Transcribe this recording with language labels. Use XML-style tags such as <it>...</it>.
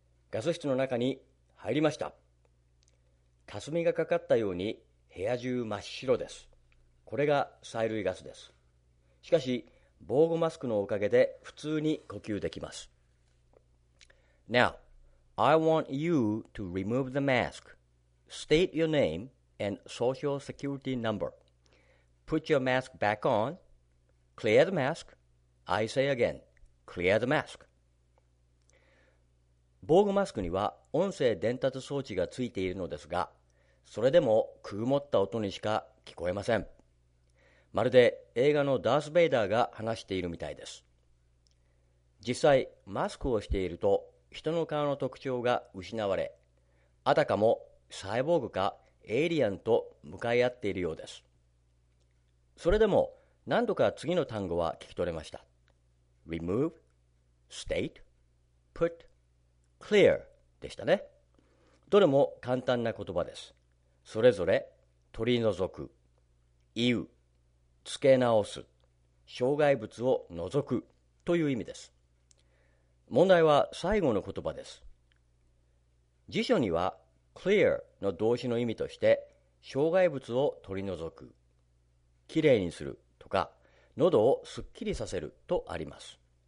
<ja>ガス室の中に入りました。霞がかかったように部屋中真っ白です。これが催涙ガスです。しかし、防護マスクのおかげで普通に呼吸できます。</ja> <en>Now, I want you to remove the mask. State your name and social security number. Put your mask back on. Clear the mask. I say again, clear the mask.</en> <ja>防具マスクには音声伝達装置がついているのですが、それでもくぐもった音にしか聞こえません。まるで映画のダース・ベイダーが話しているみたいです。実際マスクをしていると人の顔の特徴が失われ、あたかもサイボーグかエイリアンと向かい合っているようです。それでも何度か次の単語は聞き取れました。</ja> <en>Remove State Put Clear</en> <ja>でしたね。どれも簡単な言葉です。それぞれ取り除く、言う、付け直す、障害物を除くという意味です。問題は最後の言葉です。辞書には clear の動詞の意味として障害物を取り除く、きれいにするとか喉をすっきりさせるとあります。</ja>